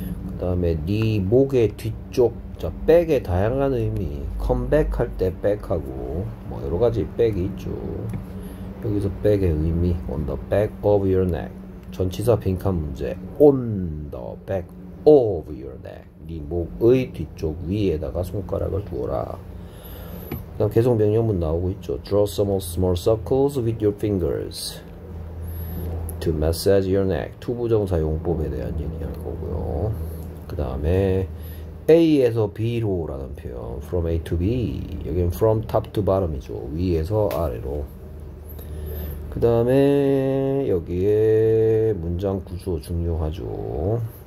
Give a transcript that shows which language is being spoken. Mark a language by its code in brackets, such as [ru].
[ko] 그다음에 네 목의 뒤쪽, 자 백의 다양한 의미, comeback 할때 백하고 뭐 여러 가지 백이 있죠. 여기서 백의 의미 [en] on the back of your neck. [ko] 전치사 빈칸 문제 [en] on the back. Of your neck. [ko] 네 목의 뒤쪽 위에다가 손가락을 두어라. 그다음 계속 명령문 나오고 있죠. [en] Draw some small circles with your fingers to massage your neck. [ko] to 부정사 용법에 대한 얘기할 거고요. 그다음에 A에서 B로라는 표현. [en] From A to B. [ko] 여기는 [en] from top to bottom이죠. [ko] 위에서 아래로. 그다음에 여기에 문장 구조 중요하죠.